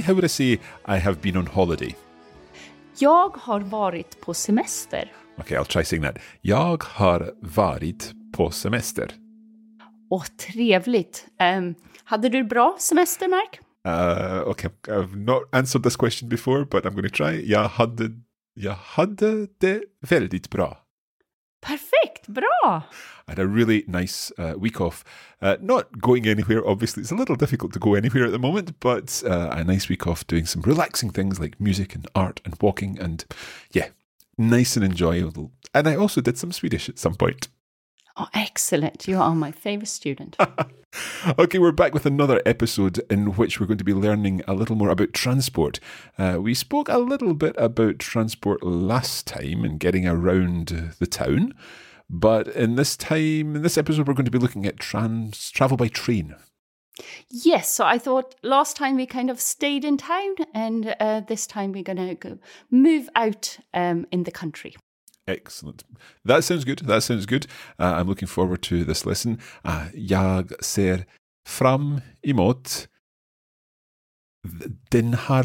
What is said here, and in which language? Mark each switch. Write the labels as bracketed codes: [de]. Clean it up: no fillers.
[en] How would I say I have been on holiday? [sv] Jag har varit på semester. [en] Okay, I'll try saying that. [sv] Jag har varit på semester. Åh, trevligt. Hade du bra semester, Mark? [en] Okay, I've not answered this question before, but I'm going to try. [sv] Jag hade det väldigt bra. Perfekt, bra! [en] I had a really nice week off. Not going anywhere, obviously. It's a little difficult to go anywhere at the moment, but a nice week off doing some relaxing things like music and art and walking and, yeah, nice and enjoyable. And I also did some Swedish at some point. Oh, excellent. You are my favorite student. Okay, we're back with another episode in which we're going to be learning a little more about transport. We spoke a little bit about transport last time and getting around the town. But in this episode, we're going to be looking at travel by train. Yes, so I thought last time we kind of stayed in town and this time we're going to move out in the country. Excellent. That sounds good. That sounds good. I'm looking forward to this lesson. [sv] Jag ser fram emot den här